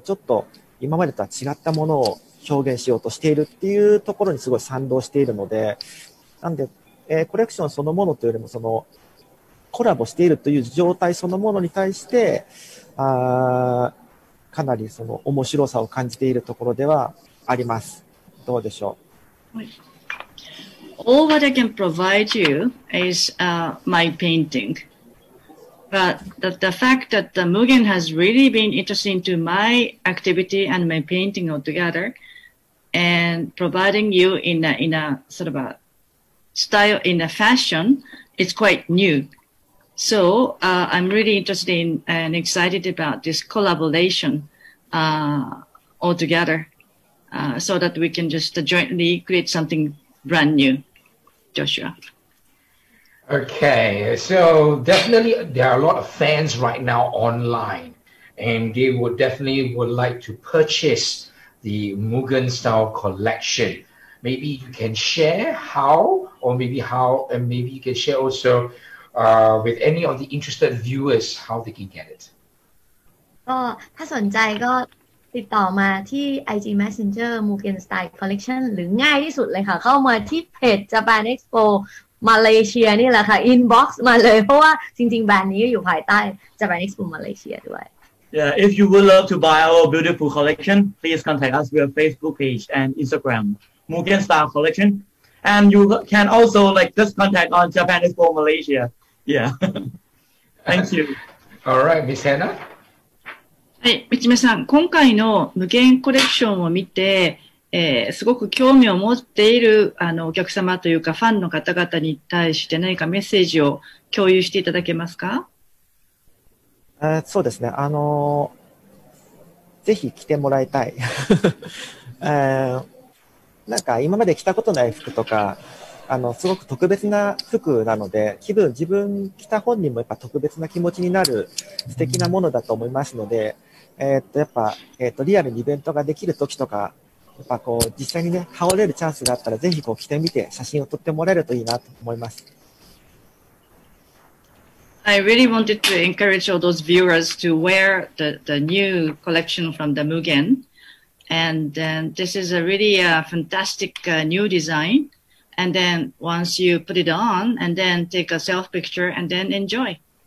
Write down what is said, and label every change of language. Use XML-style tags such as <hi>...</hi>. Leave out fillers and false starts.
<ja>ちょっと今までとは違ったものを表現しようとしているっていうところにすごい賛同しているので、なんで、コレクションそのものというよりもそのコラボしているという状態そのものに対して、かなりその面白さを感じているところではあります。どうでしょう。</ja> <en>All what I can provide you is my painting. But the fact that the Mugen has really been interesting to my activity and my painting altogether, and providing you in a sort of a style in a fashion, it's quite new. So, I'm really interested in and excited about this collaboration all together so that we can just jointly create something brand new, Joshua. Okay, so definitely there are a lot of fans right now online and they would definitely would like to purchase the Mugen style collection. Maybe you can share how or maybe how and maybe you can share also. With any of the interested viewers, how they can get it?</en> <th>ก็ถ้าสนใจก็ติดต่อมาที่ IG Messenger Mugen Style Collection หรือง่ายที่สุดเลยค่ะเข้ามาที่เพจ Japan Expo Malaysia นี่แหละค่ะ Inbox มาเลยเพราะว่าจริงๆแบรนด์นี้อยู่ภายใต้ Japan Expo Malaysia ด้วย</th> <en>Yeah, if you would love to buy our beautiful collection, please contact us via Facebook page and Instagram Mugen Style Collection. And you can also like just contact on Japan Expo Malaysia. Yeah. Thank you. All right, Miss Hannah.</en> <ja>はい、みちめさん、今回の無限コレクションを見て、すごく興味を持っているあのお客様というかファンの方々に対して何かメッセージを共有していただけますか？そうですね。ぜひ来てもらいたい。なんか今まで着たことない服とか、すごく特別な服なので、自分着た本人もやっぱ特別な気持ちになる素敵なものだと思いますので、やっぱ、リアルにイベントができる時とか、やっぱこう、実際にね、羽織れるチャンスがあったら、ぜひこう着てみて写真を撮ってもらえるといいなと思います。</ja> <en>I really wanted to encourage all those viewers to wear the new collection from the Mugen. And then this is a really fantastic new design. And then once you put it on, and then take a self picture and then enjoy.</en>